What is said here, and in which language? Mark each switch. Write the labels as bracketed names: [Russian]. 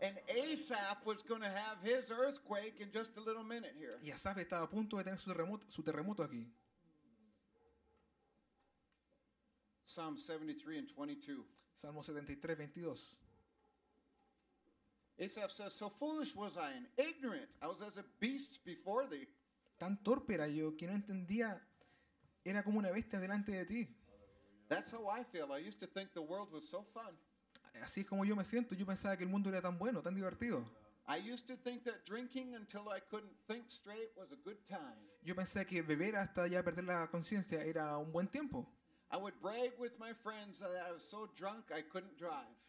[English] And Asaph was going to have his earthquake in just a little minute here. [Spanish] Y Asaph estaba a punto de tener su terremoto aquí. [English] Psalm 73:22. Asaph says, "So foolish was I and ignorant; I was as a beast before thee." [Spanish] Tan torpe era yo que no entendía; era como una bestia delante de ti. [English] That's how I feel. I used to think the world was so fun. [Spanish] Así es como yo me siento. Yo pensaba que el mundo era tan bueno, tan divertido. [English] I used to think that drinking until I couldn't think straight was a good time. [Spanish] Yo pensé que beber hasta ya perder la conciencia era un buen tiempo. [English] I would brag with my friends that I was so drunk I couldn't drive.